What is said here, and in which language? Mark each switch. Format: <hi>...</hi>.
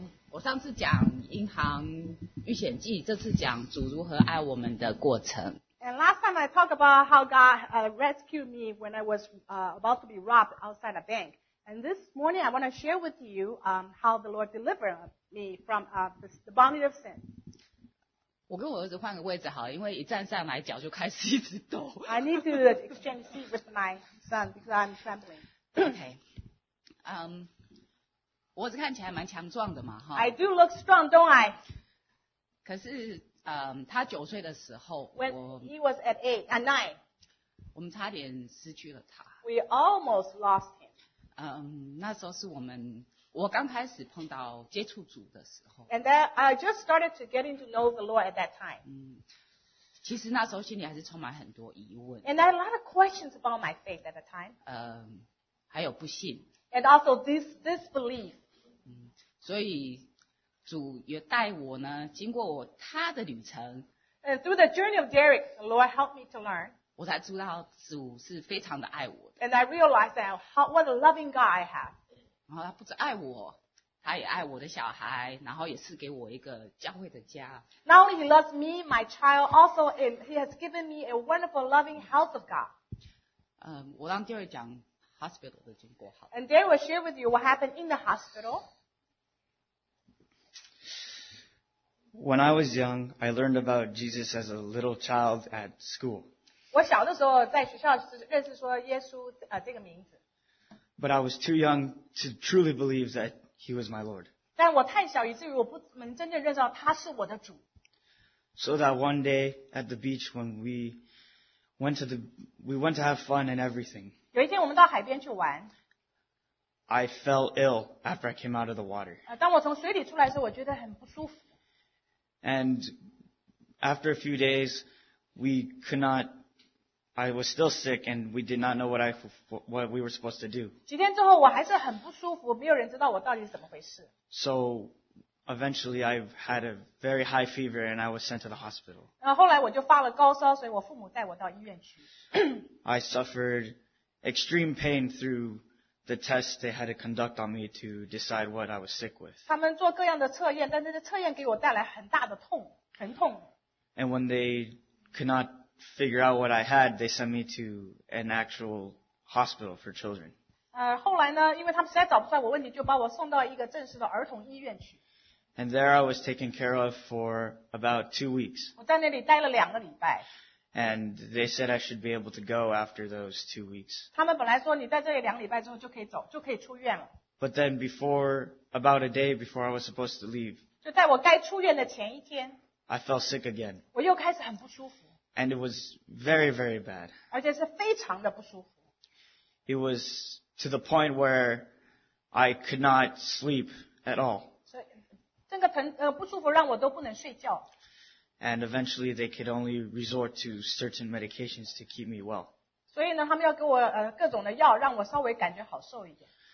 <zh>我上次讲银行预险记，这次讲主如何爱我们的过程。</zh> <en>And last time I talked about how God rescued me when I was about to be robbed outside a bank. And this morning I want to share with you how the Lord delivered me from the bondage of sin.</en> <zh>我跟我儿子换个位置好，因为一站上来脚就开始一直抖。</zh> <en>I need to exchange seat with my son because I'm trembling. Okay.</en> <zh>我儿子看起来蛮强壮的嘛，哈。</zh> <en>I do look strong, don't I?</en> <zh>可是。他九岁的时候</zh> <en>When he was at eight, at nine,</en> <zh>我们差点失去了他</zh> <en>We almost lost him.</en> <zh>那时候是我刚开始碰到接触主的时候</zh> <en>And then I just started to getting to know the Lord at that time.</en> <zh>其实那时候心里还是充满很多疑问</zh> <en>And I had a lot of questions about my faith at the time.</en> <zh>还有不信</zh> <en>And also disbelief.</en> <zh>所以主也带我呢，经过他的旅程。</zh> <en>Through the journey of Derek, the Lord helped me to learn.</en> <zh>我才知道主是非常的爱我的。</zh> <en>And I realized that what a loving God I have.</en> <zh>然后他不只爱我，他也爱我的小孩，然后也是给我一个教会的家。</zh> <en>Not only he loves me, my child, also in, he has given me a wonderful, loving house of God.</en> <zh>我让 Derek 讲 hospital 的经过好。</zh> <en>And Derek will share with you what happened in the hospital. When I was young, I learned about Jesus as a little child at school.</en> <zh>我小的时候在学校认识说耶稣这个名字。</zh> <en>But I was too young to truly believe that he was my Lord.</en> <zh>但我太小以至于我不能真正认识到他是我的主。</zh> <en>So that one day at the beach when we went to have fun and everything.</en> <zh>有一天我们到海边去玩。</zh> <en>I fell ill after I came out of the water.</en> <zh>当我从水里出来的时候我觉得很不舒服。</zh> <en>And after a few days, we could not, I was still sick and we did not know what we were supposed to do.</en> <zh>几天之后我还是很不舒服，没有人知道我到底是怎么回事。</zh> <en>So eventually I had a very high fever and I was sent to the hospital.</en> <zh>后来我就发了高烧，所以我父母带我到医院去。</zh> <en>I suffered extreme pain through the test they had to conduct on me to decide what I was sick with.</en> <zh>他们做各样的测验，但那个测验给我带来很大的痛，疼痛。</zh> <en>And when they could not figure out what I had, they sent me to an actual hospital for children.</en> <zh>后来呢，因为他们实在找不出来我问题，就把我送到一个正式的儿童医院去。</zh> <en>And there I was taken care of for about 2 weeks.</en> <zh>我在那里待了两个礼拜。</zh> <en>And they said I should be able to go after those 2 weeks.</en> <zh>他们本来说你在这里两礼拜之后就可以走，就可以出院了。</zh> <en>But then before, about a day before I was supposed to leave,</en> <zh>就在我该出院的前一天</zh> <en>I fell sick again.</en> <zh>我又开始很不舒服。</zh> <en>And it was very, very bad.</en> <zh>而且是非常的不舒服。</zh> <en>It was to the point where I could not sleep at all.</en> <zh>这个不舒服让我都不能睡觉。</zh> <en>And eventually they could only resort to certain medications to keep me well.</en> <zh>所以呢他们要给我各种的药让我稍微感觉好受一点。</zh>